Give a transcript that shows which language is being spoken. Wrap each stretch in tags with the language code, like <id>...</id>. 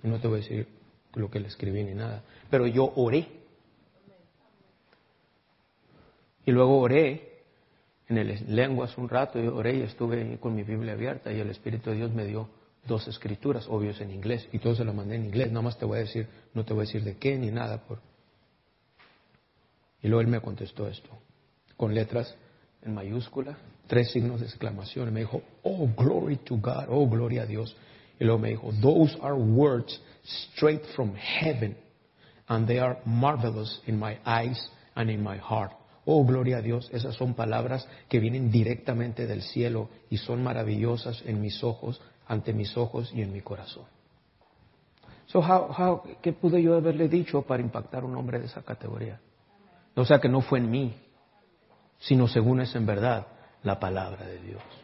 <es>No te voy a decir lo que le escribí ni nada, pero yo oré y luego oré en el lenguas un rato y oré y estuve con mi Biblia abierta y el Espíritu de Dios me dio dos escrituras obvios en inglés y todo se lo mandé en inglés. Nada más te voy a decir, no te voy a decir de qué ni nada por... Y luego él me contestó esto con letras en mayúscula, tres signos de exclamación, y me dijo,</es> <en>oh glory to God,</en> <es>oh gloria a Dios. Y luego me dijo,</es> <en>those are words straight from heaven, and they are marvelous in my eyes and in my heart.</en> <es>Oh, gloria a Dios, esas son palabras que vienen directamente del cielo y son maravillosas en mis ojos, ante mis ojos y en mi corazón. So, ¿qué pude yo haberle dicho para impactar a un hombre de esa categoría? O sea, que no fue en mí, sino según es en verdad la palabra de Dios.</es>